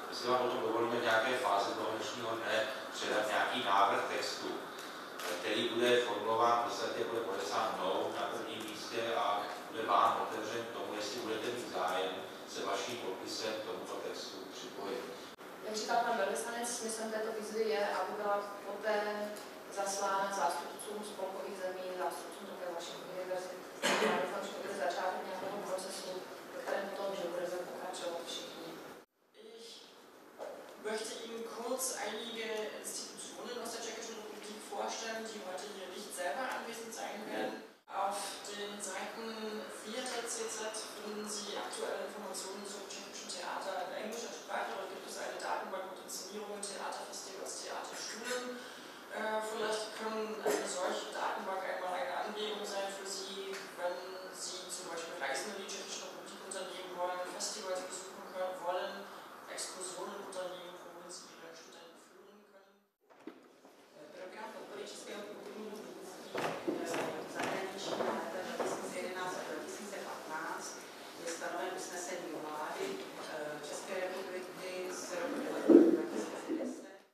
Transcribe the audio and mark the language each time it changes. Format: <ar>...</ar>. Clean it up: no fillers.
<cs>My si vám o tom dovolíme v nějaké fáze toho dnešního dne předat nějaký návrh textu, který bude formulován v podstatě, bude podepsán mnou na prvním místě a bude vám otevřen k tomu, jestli budete mít zájem se vaším podpisem k tomuto textu připojit. Jak říkal pan velvyslanec, smyslem této výzvy je, aby byla poté zaslána zástupcům spolkových zemí, zástupcům také vaší univerzity. Já doufám, že to bude začátek nějakého procesu, ve kterém potom, že budeme pokračovat všichni.</cs> <de>Möchte Ihnen kurz einige Institutionen aus der Tschechischen Republik vorstellen, die heute hier nicht selber anwesend sein werden. Auf den Seiten 4.cz finden Sie aktuelle Informationen zum Tschechischen Theater in englischer Sprache. Dort gibt es eine Datenbank mit Inszenierungen, Theaterfestivals, Theaterschulen. Vielleicht können eine solche Datenbank einmal eine Anregung sein für Sie, wenn Sie zum Beispiel Reisen in die Tschechische Republik unternehmen wollen, Festivals besuchen können, wollen. Exkursionen unternehmen, wo uns Ihre Studenten führen können.</de> <cs>Program podpory Českého kulturního dědictví zahraniční na léta 2011 a 2015 je stanoven usnesení vlády České republiky z roku 2010.</cs>